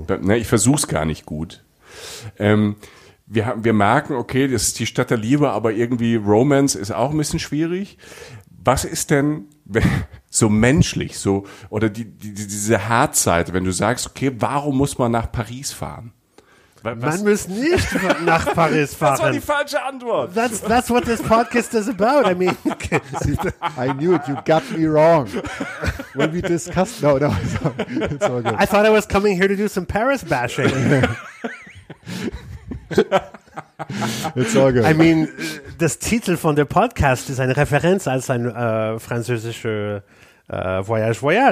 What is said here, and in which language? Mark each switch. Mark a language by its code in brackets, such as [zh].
[de] Ich versuch's gar nicht gut. Wir merken, okay, das ist die Stadt der Liebe, aber irgendwie Romance ist auch ein bisschen schwierig. Was ist denn so menschlich, so oder diese Herzseite, wenn du sagst, okay, warum muss man nach Paris fahren? Man muss nicht nach Paris fahren. Das war die falsche Antwort. [en] That's what this podcast is about. I mean, I knew it. You got me wrong. When we discussed, no, it's all good. I thought I was coming here to do some Paris bashing. It's all good. [de] I mean, das Titel von der Podcast ist eine Referenz als ein französischer Voyage.